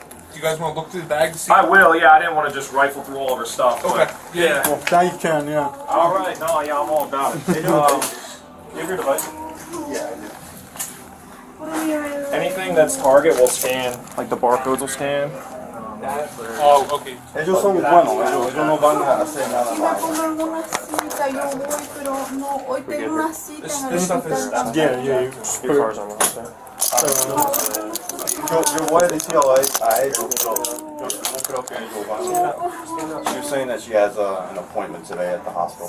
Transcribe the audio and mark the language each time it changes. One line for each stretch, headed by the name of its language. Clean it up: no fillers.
English: Do you guys want to look through the bag to see? I will. Yeah, I didn't want to just rifle through all of her stuff. Okay. Yeah. Well, now you can. Yeah. All right. No. Yeah, I'm all about it. You have your device? Yeah, I do. Anything that's Target will scan, like the barcodes will scan. Oh, okay.
Spanish: Ellos son buenos, yo no van a hacer nada más. Voy a poner una cita, yo voy, pero no, hoy tengo una cita en el hospital.
English: Yeah, yeah. Your car's on the way there.
Spanish: Yo voy a decir a él, yo no creo que ella va a hacer nada.
English: She was saying that she has an appointment today at the hospital.